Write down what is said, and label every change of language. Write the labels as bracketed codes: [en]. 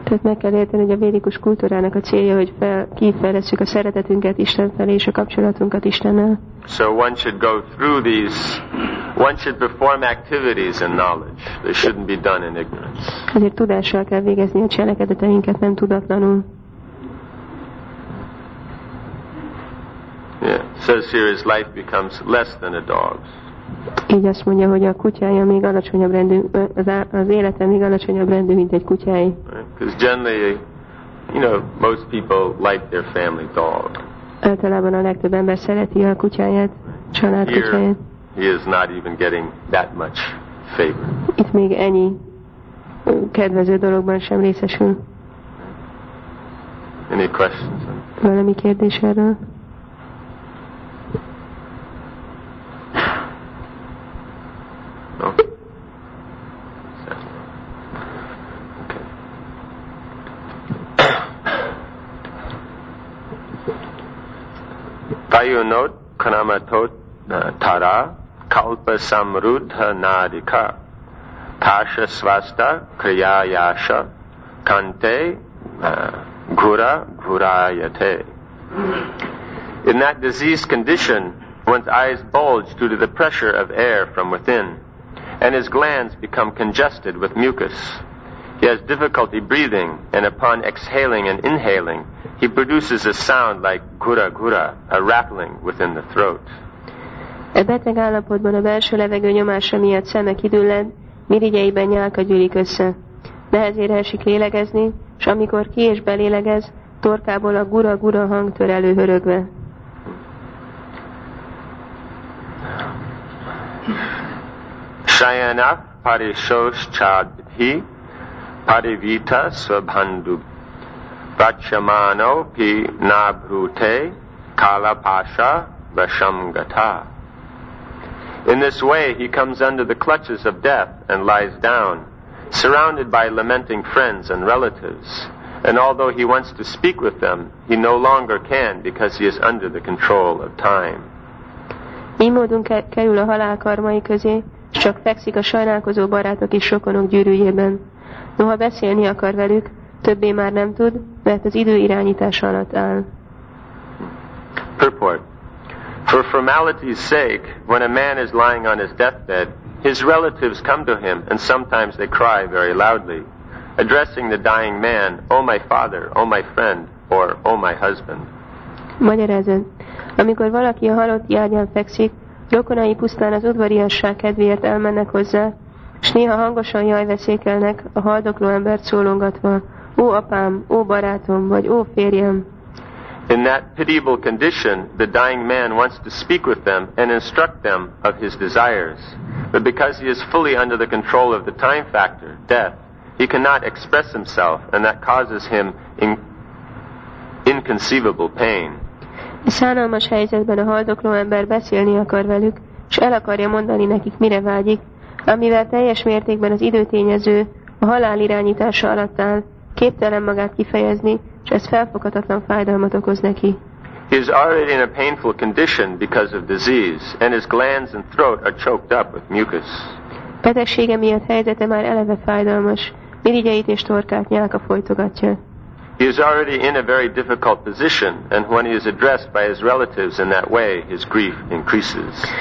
[hu] Tehát meg kell érteni, hogy a védikus kultúrának a célja, hogy kifejlesszük a szeretetünket Isten felé és a kapcsolatunkat Istennel. [en] So one should go through these, one should perform activities in knowledge. They shouldn't be done in ignorance. [hu] Ezért tudással kell végezni a cselekedeteinket, nem tudatlanul. [en] Says here his life becomes less than a dog's. [hu] Így azt mondja, hogy a kutyája még alacsonyabb rendű, az élete még alacsonyabb rendű, mint egy kutyája. [en] Because generally, you know, most people like their family dog. [hu] Általában a legtöbb ember szereti a kutyáját, család kutyáját. [en] He is not even getting that much favor. [hu] Itt még ennyi kedvező dologban sem részesül. [en] Any questions? [hu] Valami kérdés erről? [sa] Kayunot kramatot tara kalpa samruddha narika tasha swasta kriyayasha kante ghura ghurayate. [en] In that diseased condition, one's eyes bulge due to the pressure of air from within, and his glands become congested with mucus. He has difficulty breathing, and upon exhaling and inhaling, he produces a sound like gura gura, a rattling within the throat. [hu] A beteg állapotban a belső levegő nyomása miatt szeme kidüllen, mirigyeiben nyálka gyűlik össze. Nehezére esik lélegezni, és amikor ki és belélegez, torkából a gura gura hang tör elő hörögve. [sa] Shayana parishoshchadhi parivita svabhandu Vachamano pi nabhute kalapasha vashamgata. [en] In this way, he comes under the clutches of death and lies down, surrounded by lamenting friends and relatives. And although he wants to speak with them, he no longer can because he is under the control of time. [hu] Így módon kerül a halál karmai közé, csak fekszik a sajnálkozó barátok és sokonok gyűrűjében. Noha beszélni akar velük, többé már nem tud, mert az idő irányítása alatt áll. [en] Purport. For formality's sake, when a man is lying on his deathbed, his relatives come to him and sometimes they cry very loudly, addressing the dying man, O my father, O my friend, or O my husband. [hu] Magyarázat. Amikor valaki a halott járján fekszik, rokonai pusztán az udvariasság kedvéért elmennek hozzá, és néha hangosan jaj veszékelnek a haldokló embert szólongatva, Ó apám, ó barátom, vagy ó férjem. [en] In that pitiable condition, the dying man wants to speak with them and instruct them of his desires. But because he is fully under the control of the time factor, death, he cannot express himself, and that causes him inconceivable pain. [hu] Szánalmas helyzetben a haldokló ember beszélni akar velük, és el akarja mondani nekik, mire vágyik, amivel teljes mértékben az időtényező, a halál irányítása alatt áll, képtelen magát kifejezni, és ez felfoghatatlan fájdalmat okoz neki. [en] He is already in a painful condition because of disease, and his glands and throat are choked up with mucus. [hu] Betegsége miatt helyzete már eleve fájdalmas, mirigyeit és torkát nyálka folytogatja. [en] He is already in a very difficult position, and when he is addressed by his relatives in that way, his grief increases.